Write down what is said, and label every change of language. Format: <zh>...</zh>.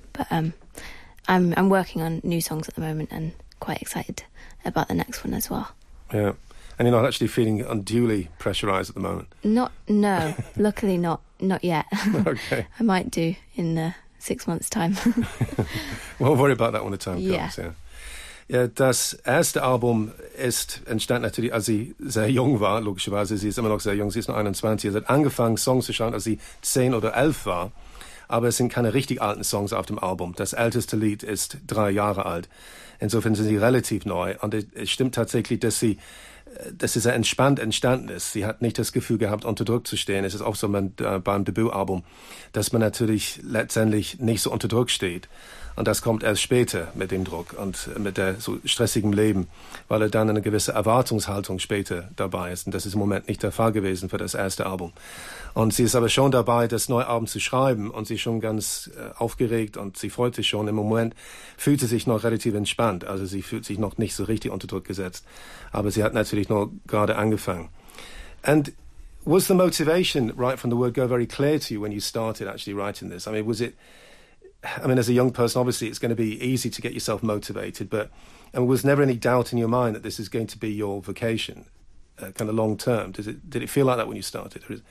<en>But I'm working on new songs at the moment and quite excited about the next one as well. Yeah, and you're not actually feeling unduly pressurised at the moment? No, luckily not yet. Okay. I might do in 6 months' time. We'll worry about that when the time comes, yeah.</en> <de>Ja, das erste Album ist entstanden natürlich, als sie sehr jung war, logischerweise. Sie ist immer noch sehr jung, sie ist noch 21. Sie hat angefangen, Songs zu schreiben, als sie 10 oder 11 war. Aber es sind keine richtig alten Songs auf dem Album. Das älteste Lied ist 3 Jahre alt. Insofern sind sie relativ neu. Und es stimmt tatsächlich, dass sie sehr entspannt entstanden ist. Sie hat nicht das Gefühl gehabt, unter Druck zu stehen. Es ist auch so beim Debütalbum, dass man natürlich letztendlich nicht so unter Druck steht. Und das kommt erst später mit dem Druck und mit der so stressigen Leben, weil er dann eine gewisse Erwartungshaltung später dabei ist. Und das ist im Moment nicht der Fall gewesen für das erste Album. Und sie ist aber schon dabei, das neue Album zu schreiben, und sie ist schon ganz aufgeregt und sie freut sich schon. Im Moment fühlt sie sich noch relativ entspannt, also sie fühlt sich noch nicht so richtig unter Druck gesetzt. Aber sie hat natürlich nur gerade angefangen. And</de> <en>Was the motivation right from the word go very clear to you when you started actually writing this? I mean, was it, I mean, as a young person, obviously it's going to be easy to get yourself motivated, but and was never any doubt in your mind that this is going to be your vocation, kind of long term? Did it feel like that when you started?</en>